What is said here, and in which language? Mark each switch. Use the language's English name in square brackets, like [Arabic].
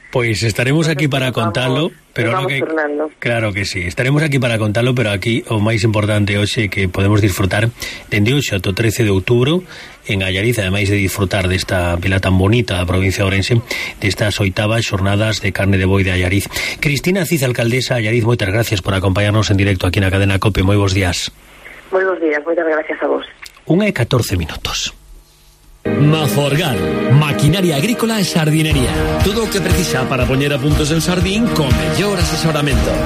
[Spanish] Pues estaremos aquí para contarlo. Pero vamos que, claro que sí, estaremos aquí para contarlo, pero [Galician] aquí o máis importante hoxe que podemos disfrutar dende hoxe ata o 13 de outubro en Allariz, ademais de disfrutar desta vila tan bonita da provincia de Ourense, destas 8ª xornadas de carne de boi de Allariz. Cristina Cid, alcaldesa de Allariz, moitas gracias por acompañarnos en directo aquí na cadena COPE. Moi bons días. Moi bons días, moitas gracias a vos. 1:14 minutos. Maforgal, maquinaria agrícola e sardinería. Todo o que precisa para poñer a punto seu sardín con mellor asesoramento.